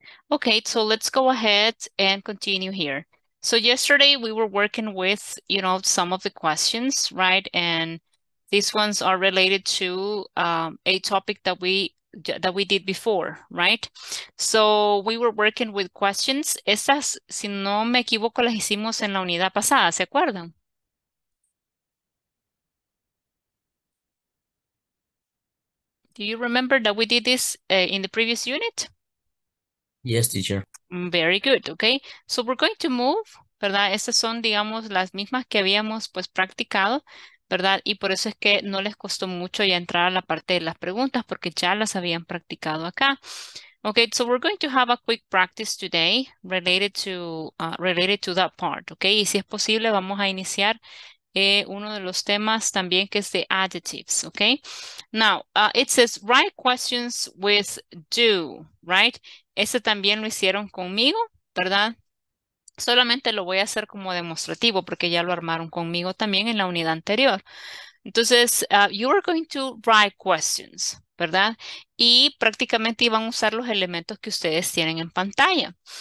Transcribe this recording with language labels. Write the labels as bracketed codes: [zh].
[en] Okay, so let's go ahead and continue here. So yesterday we were working with, you know, some of the questions, right? And these ones are related to a topic that we did before, right? So we were working with questions. [es] Estas, si no me equivoco, las hicimos en la unidad pasada, ¿se acuerdan? [en] Do you remember that we did this in the previous unit? Yes, teacher. Very good, okay. So we're going to move, ¿verdad? [es] Estas son, digamos, las mismas que habíamos pues practicado, ¿verdad? Y por eso es que no les costó mucho ya entrar a la parte de las preguntas porque ya las habían practicado acá. [en] Okay, so we're going to have a quick practice today related to that part, okay? [es] Y si es posible, vamos a iniciar uno de los temas también que es de adjectives, okay? [en] Now, it says, write questions with do, right? [es] Ese también lo hicieron conmigo, ¿verdad? Solamente lo voy a hacer como demostrativo porque ya lo armaron conmigo también en la unidad anterior. [en] Entonces, you are going to write questions, ¿verdad? [es] Y prácticamente iban a usar los elementos que ustedes tienen en pantalla.